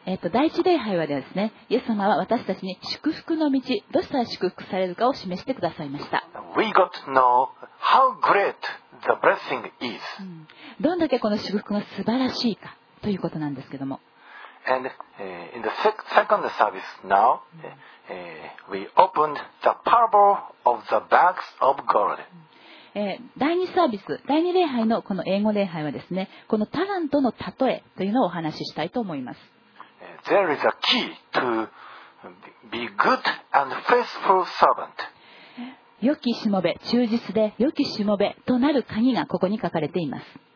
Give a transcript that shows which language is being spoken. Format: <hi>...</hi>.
<ja>第一礼拝はですね、イエス様は私たちに祝福の道、どうしたら祝福されるかを示してくださいました。</ja> <en>We got to know how great the blessing is.</en> <ja>どんだけこの祝福が素晴らしいかということなんですけども。</ja> <en>And in the second service now, we opened the parable of the bags of gold.</en> <ja>第二サービス、第二礼拝のこの英語礼拝はですね、このタラントの例えというのをお話ししたいと思います。</ja> <en>There is a key to be good and faithful servant.</en> <ja>良きしもべ、忠実で良きしもべとなる鍵がここに書かれています。</ja>